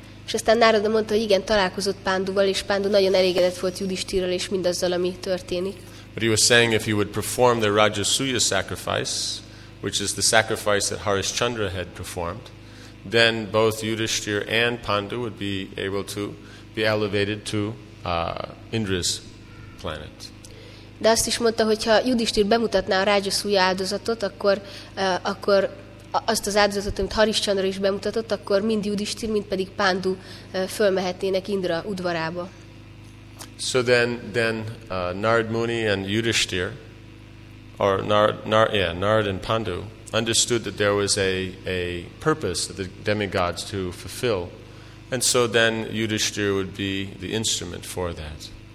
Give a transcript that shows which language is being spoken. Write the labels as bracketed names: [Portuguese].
[Hungarian] És aztán Narada mondta, hogy igen, találkozott Panduval, és Pandu nagyon elégedett volt Yudhishthirrel és mindazzal, ami történik. [English] But he was saying if he would perform the Rajasuya sacrifice, which is the sacrifice that Harishchandra had performed, then both Yudhishthir and Pandu would be able to be elevated to Indra's planet. [Hungarian] De azt is mondta, hogy ha Yudhishthir bemutatná a rajaszúja áldozatot, akkor akkor azt az áldozatot, amit Harischandra is bemutatott, akkor mind Yudhishthir, mind pedig Pandu fölmehetnének Indra udvarába. [English] So then Narad Muni and Yudhishthir, or Narad and Pandu, understood that there was a purpose for the demigods to fulfill, and so then Yudhishthir would be the instrument for that.